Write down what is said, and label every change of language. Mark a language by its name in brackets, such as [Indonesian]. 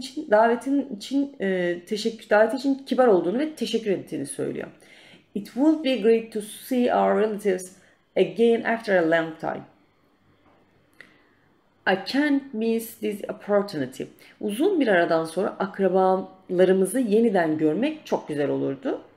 [Turkish] Davetin için kibar olduğunu ve teşekkür ettiğini söylüyor. [English] It would be great to see our relatives again after a long time. I can't miss this opportunity. [Turkish] Uzun bir aradan sonra akrabalarımızı yeniden görmek çok güzel olurdu.